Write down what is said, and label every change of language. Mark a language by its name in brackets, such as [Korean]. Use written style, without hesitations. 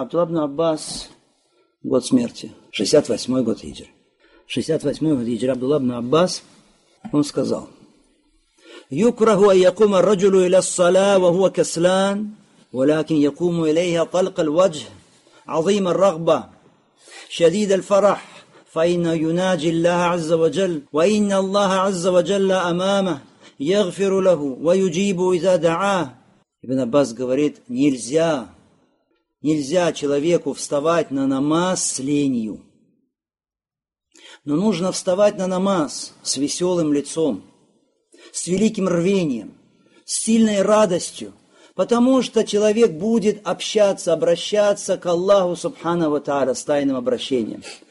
[Russian] Абдулла ибн Аббас, год смерти, 68-й год хиджр. 68-й год хиджр, Абдулла ибн Аббас, он сказал: [Arabic] «Юкраху ан якума ар-раджулу иля ас-сала ва хуа каслан, валякин якуму илейха талк аль-вадж, азима ар-рагба, шадид аль-фарах». فإن يناجي الله عز وجل وإن الله عز وجل أمامه يغفر له ويجيب إذا دعاه. [Russian] Ибн Аббас говорит, нельзя человеку вставать на намаз с ленью. Но нужно вставать на намаз с веселым лицом, с великим рвением, с сильной радостью, потому что человек будет общаться, обращаться к Аллаху Субханаху ва Тааля с тайным обращением.